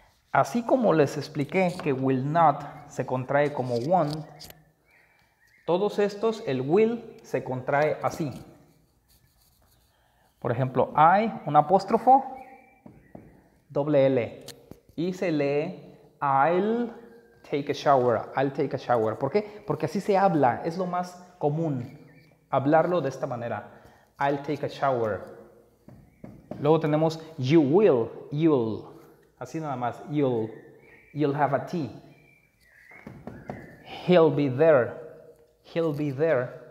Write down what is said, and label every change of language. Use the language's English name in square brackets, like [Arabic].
[Spanish] Así como les expliqué que will not se contrae como won't, todos estos, el will se contrae así. Por ejemplo, I, un apóstrofo, doble L. Y se lee, [English] I'll take a shower, I'll take a shower. [Spanish] ¿Por qué? Porque así se habla, es lo más común hablarlo de esta manera. [English] I'll take a shower. [Spanish] Luego tenemos, [English] you will, you'll. [Spanish] Así nada más, [English] you'll. You'll have a tea. He'll be there. He'll be there.